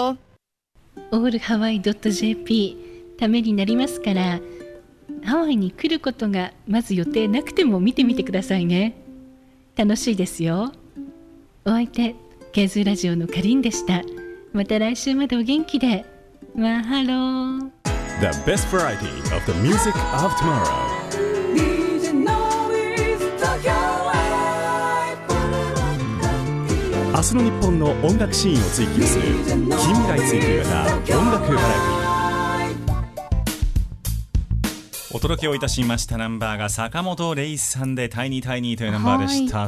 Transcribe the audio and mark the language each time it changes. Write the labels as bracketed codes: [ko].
[ja] ー。 allhawaii.jp ためになりますから、ハワイに来ることがまず予定なくても見てみてくださいね。楽しいですよ。お相手ケーズラジオのカリンでした。また来週までお元気で。 [haw] マハロー。 [en] The best variety of the music of tomorrow. [ja] アスの日本の音楽シーンを追求する近未来追求型音楽バラエティ。お届けをいたしましたナンバーが坂本レイさんでタイニータイニーというナンバーでした。